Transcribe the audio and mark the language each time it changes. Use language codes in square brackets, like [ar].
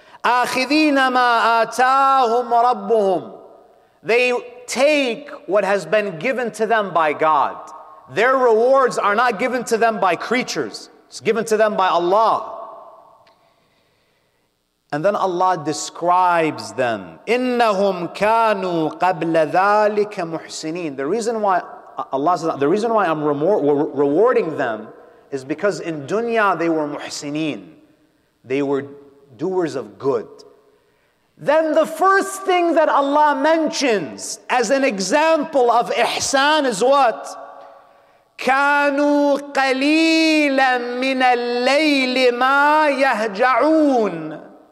[ar] آخذين ما آتاهم ربهم. [en] They take what has been given to them by God. Their rewards are not given to them by creatures. It's given to them by Allah. And then Allah describes them. [ar] إنهم كانوا قبل ذلك محسنين. [en] The reason why I'm rewarding them is because in dunya they were muhsineen. They were doers of good. Then the first thing that Allah mentions as an example of ihsan is what? [ar] كانوا قليلا من الليل ما يهجعون.